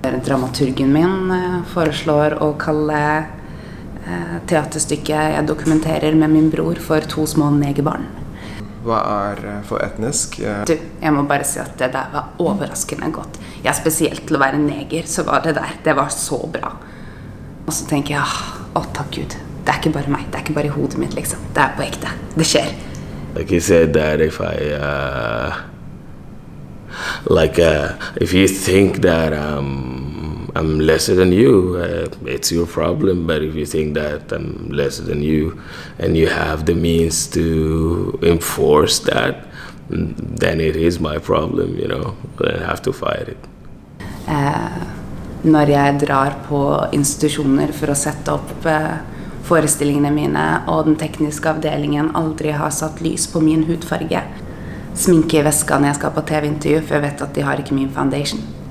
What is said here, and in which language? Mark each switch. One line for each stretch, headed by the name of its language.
Norwegian: Dramaturgen min foreslår å kalle teaterstykket jeg dokumenterer med min bror for to små negerbarn. Hva er for etnisk? Du, jeg må bare si at det der var overraskende godt. Jeg er spesielt til å være neger, så var det der. Det var så bra. Og så tenker jeg, åh, takk Gud. Det er ikke bare meg. Det er ikke bare i hodet mitt, liksom. Det er på ekte. Det skjer.
English: Like you said that if I, like, if you think that I'm lesser than you, it's your problem, but if you think that I'm lesser than you and you have the means to enforce that, then it is my problem, you know, I have to fight it.
Norwegian: Når jeg drar på institusjoner for å sette opp forestillingene mine, og den tekniske avdelingen aldri har satt lys på min hudfarge, sminke i veska når jeg skal på TV-intervju, for jeg vet at de har ikke min foundation.